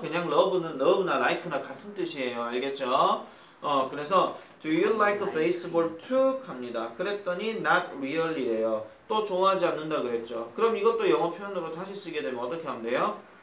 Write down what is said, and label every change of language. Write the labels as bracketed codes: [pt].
[ko] 그냥 love는 love나 like나 같은 뜻이에요. 알겠죠? 그래서 [en] Do you like baseball too? [ko] 합니다. 그랬더니 [en] not really [ko] 래요. 또 좋아하지 않는다 그랬죠. 그럼 이것도 영어 표현으로 다시 쓰게 되면 어떻게 하면 돼요?